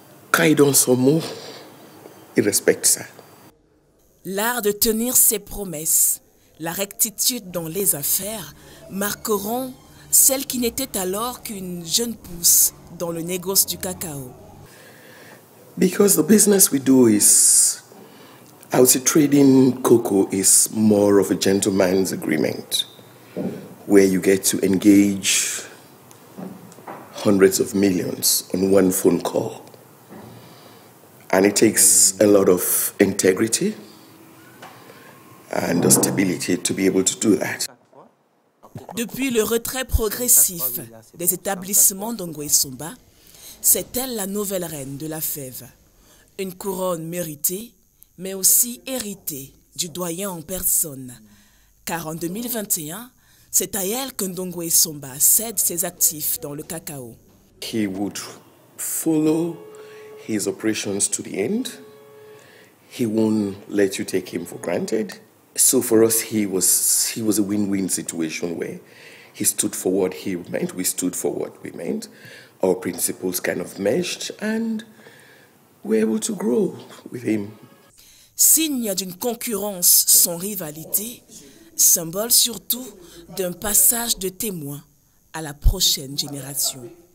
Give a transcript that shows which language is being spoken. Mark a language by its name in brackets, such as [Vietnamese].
[French] Quand il donne son mot, il respecte ça. L'art de tenir ses promesses, la rectitude dans les affaires, marqueront celle qui n'était alors qu'une jeune pousse dans le négoce du cacao. [English] Because the business we do is, I would say trading cocoa is more of a gentleman's agreement, where you get to engage hundreds of millions on one phone call. And it takes a lot of integrity and stability to be able to do that. [French] Depuis le retrait progressif des établissements d'Ndongwe Somba, c'est elle la nouvelle reine de la fève. Une couronne méritée, mais aussi héritée du doyen en personne, Car en 2021, c'est à elle que Ndongo Essomba cède ses actifs dans le cacao. [English] He would follow his operations to the end. He won't let you take him for granted. So for us, he was a win-win situation where he stood for what he meant, we stood for what we meant. Our principles kind of meshed and we're able to grow with him. [French] Signe d'une concurrence sans rivalité, symbole surtout d'un passage de témoin à la prochaine génération.